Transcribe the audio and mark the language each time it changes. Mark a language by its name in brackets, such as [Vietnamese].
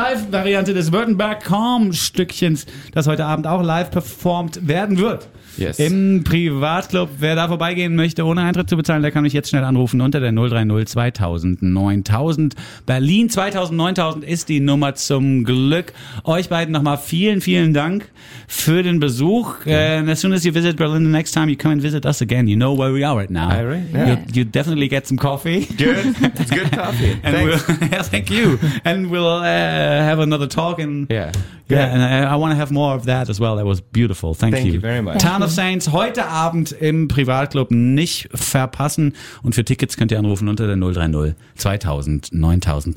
[German] Variante des Württemberg-Com-Stückchens, das heute Abend auch live performt werden wird. [English] Yes. [German] Im Privatclub. Wer da vorbeigehen möchte, ohne Eintritt zu bezahlen, der kann mich jetzt schnell anrufen unter der 030 2000 9000. Berlin 2000 9000 ist die Nummer zum Glück. Euch beiden nochmal vielen, vielen Dank für den Besuch. [English] Yeah. As soon as you visit Berlin the next time, you come and visit us again. You know where we are right now. I really? Yeah. You definitely get some coffee. Good. It's good coffee. And thanks. Thank you. And we'll have another talk. And Yeah, and I want to have more of that as well. That was beautiful. Thank you very much. [German] Town of Saints, heute Abend im Privatclub nicht verpassen. Und für Tickets könnt ihr anrufen unter der 030 2000 9000.